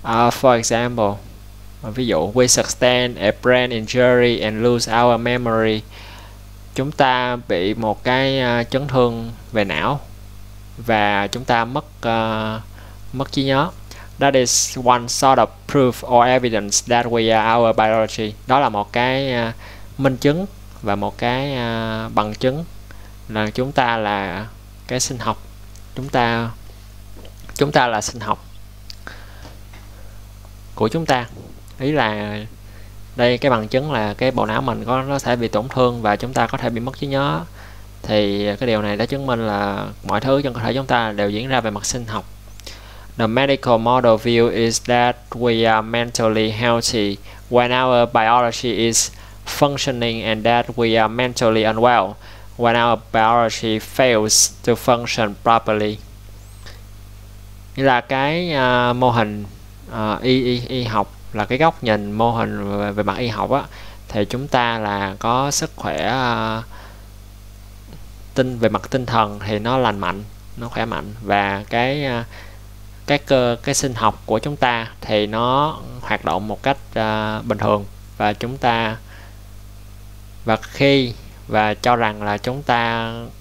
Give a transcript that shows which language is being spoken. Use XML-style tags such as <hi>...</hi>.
<en>For example,</en> <vi>ví dụ</vi> <en>we sustain a brain injury and lose our memory.</en> <vi>Chúng ta bị một cái chấn thương về não và chúng ta mất mất trí nhớ.</vi> <en>That is one sort of proof or evidence that we are our biology.</en> <vi>Đó là một cái minh chứng và một cái bằng chứng là chúng ta là cái sinh học. Chúng ta là sinh học của chúng ta. Ý là đây cái bằng chứng là cái bộ não mình có nó sẽ bị tổn thương và chúng ta có thể bị mất trí nhớ. Thì cái điều này đã chứng minh là mọi thứ trong cơ thể chúng ta đều diễn ra về mặt sinh học.</vi> <en>The medical model view is that we are mentally healthy when our biology is functioning and that we are mentally unwell when our biology fails to function properly.</en> <vi>Nghĩa là cái mô hình y học là cái góc nhìn mô hình về mặt y học á, thì chúng ta là có sức khỏe tinh về mặt tinh thần thì nó lành mạnh, nó khỏe mạnh và cái sinh học của chúng ta thì nó hoạt động một cách bình thường và chúng ta và khi và cho rằng là chúng ta</vi>